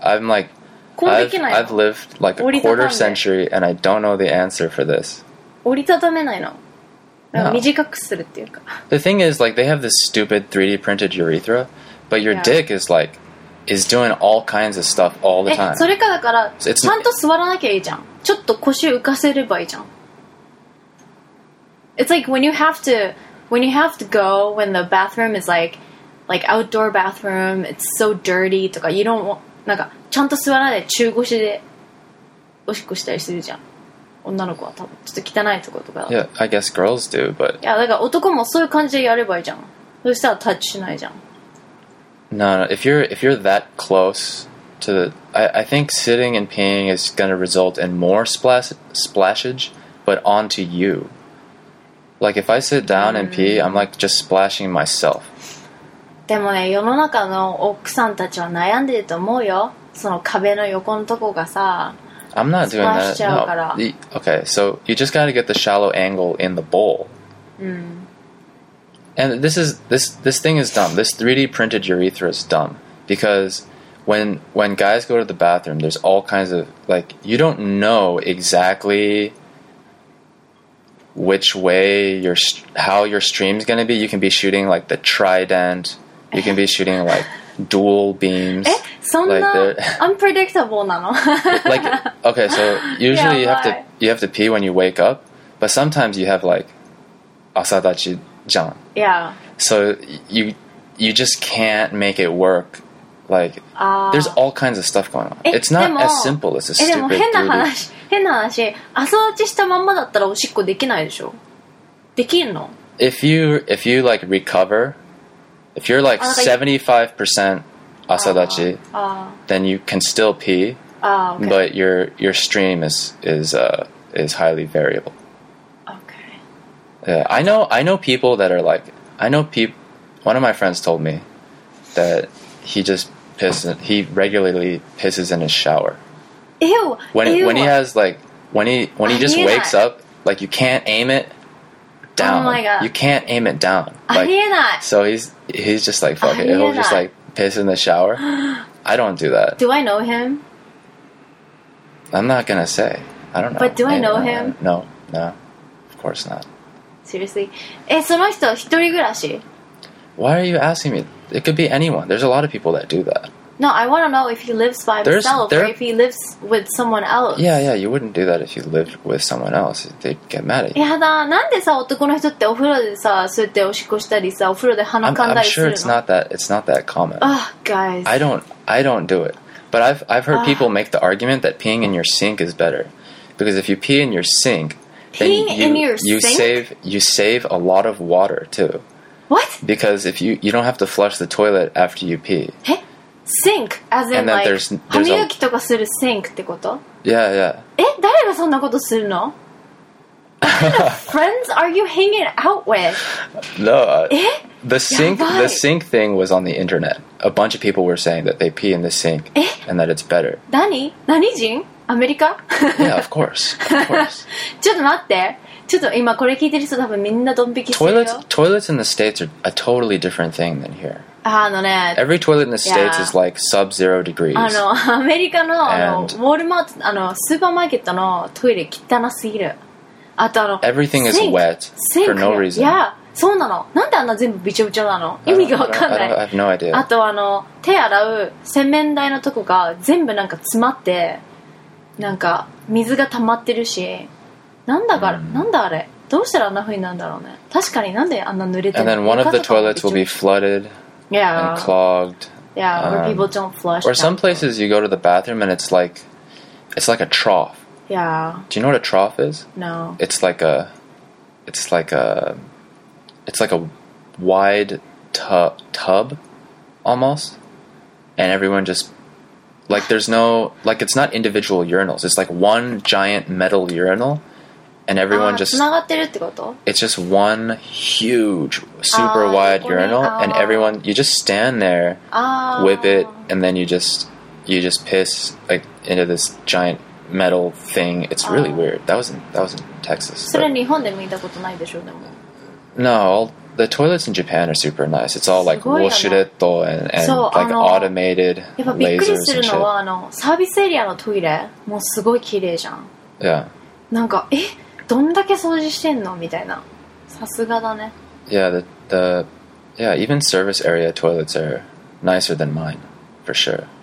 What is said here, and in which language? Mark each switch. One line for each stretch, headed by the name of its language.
English: I'm like, I've lived like a quarter century and I don't know the answer for this.
Japanese: 折りたためないの。短くするっていうか。
English: The thing is, like, they have this stupid 3D printed urethra, but your dick is like, is doing all kinds of stuff all the time.
Japanese: それかだから、ちゃんと座らなきゃいいじゃん。ちょっと腰浮かせればいいじゃん。
English: It's like when you have to go when the bathroom is like outdoor bathroom, it's so dirty とか you don't want,
Japanese: なんかちゃんと座らないで中腰でおしっこしたりするじゃん。女の子は多分ちょっと汚いところとか。
English: Yeah, I guess girls do, but
Japanese: いやだから男もそういう感じでやればいいじゃん。そしたらタッチしないじゃん。
English: No, if you're that close to the, I think sitting and peeing is going to result in more splashage, but onto you. Like, if I sit down and pee, I'm like just splashing myself.
Japanese: でもね、世の中の奥さんたちは悩んでると思うよ。その壁の横のとこがさ、
English: I'm not doing that. No. Okay, so you just gotta get the shallow angle in the bowl. And this thing is dumb. This 3D printed urethra is dumb. Because when guys go to the bathroom, there's all kinds of, like, you don't know exactly... which way how your stream's gonna be. You can be shooting like the trident, you can be shooting like dual beams.
Japanese: unpredictable なの?
English: Like, okay, so usually you have to pee when you wake up, but sometimes you have like 朝立ちじゃん. Yeah. So you just can't make it work. Like, there's all kinds of stuff going on. It's not as simple as a stupid 3D.
Japanese: 変な話、朝立ちしたまんまだったらおしっこできないでしょ。できんの
English: if you like recover, if you're like 75% 朝立ち、then you can still pee, but your stream is highly variable. Okay. Yeah, I know people that are like, one of my friends told me that he just pisses, he regularly pisses in his shower. When he has like when he just wakes up, like you can't aim it down. Oh my god. You can't aim it down. Like, I hear that. So he's just like fuck it. He'll just like piss in the shower. I don't do that. Do I know him? I'm not gonna say. I don't know. But do I know him? No. Of course not.
Japanese: Seriously. その人一人暮らし?
English: Why are you asking me? It could be anyone. There's a lot of people that do that. No, I want to know if he lives by himself or if he lives with someone else. Yeah, you wouldn't do that if you lived with someone else. They'd get mad at you.
Japanese: やだ、なんでさ、男の人ってお風呂でさ、そうやっておしっこしたりさ、お風呂で鼻かんだりするの?
English: I'm sure it's not that common. Ugh, guys. I don't do it. But I've heard people make the argument that peeing in your sink is better. Because if you pee in your sink, Peeing you, in your sink? You save a lot of water, too. What? Because if you don't have to flush the toilet after you pee. Eh? Sink? As in, like,
Japanese: 歯磨きとかする
English: sink ってこと? Yeah, yeah. Eh?
Japanese: 誰がそんなことするの?
English: What kind of friends are you hanging out with? No. Eh? The sink thing was on the internet. A bunch of people were saying that they pee in the sink. Eh? And that it's better.
Japanese: 何人?アメリカ?
English: Yeah, of course.
Japanese: ちょっと待って。ちょっと今これ聞いてる人多分みんなドン引きするよ。
English: Toilets in the States are a totally different thing than here.
Japanese: あのね。
English: Every toilet in the States is like sub-zero degrees.
Japanese: あの、アメリカの、あの、ウォールマート、あの、スーパーマーケットのトイレ汚すぎる。あとあの、
English: Everything is wet for no reason.
Japanese: いや、そうなの。なんであんな全部びちょびちょなの? 意味がわかんない。
English: I have no idea.
Japanese: あとあの、手洗う洗面台のとこが全部なんか詰まって、なんか水が溜まってるし、なんだか、なんだあれ、どうしたらあんな風になるんだろうね。確かになんであんな濡れてるの。
English: And then one of the toilets will be flooded and clogged. Yeah, where people don't flush. Or some places you go to the bathroom and it's like a trough. Yeah. Do you know what a trough is? No. It's like a wide tub almost, and everyone just like there's no like it's not individual urinals. It's like one giant metal urinal. And everyone just...
Japanese: つながってるってこと?
English: It's just one huge, super wide urinal. And everyone, you just stand there, whip it, and then you just piss like, into this giant metal thing. It's really weird. That was in Texas.
Japanese: それ日本で見たことないでしょ、でも。
English: No, the toilets in Japan are super nice. It's all like, ウォシュレットand like automated lasers and shit.
Japanese: やっぱびっくりするのは、あの、サービスエリアのトイレもうすごい綺麗じゃん。
English: Yeah.
Japanese: なんか、え? どんだけ掃除してんの?みたいな。さすがだね。
English: Yeah, yeah, even service area toilets are nicer than mine, for sure.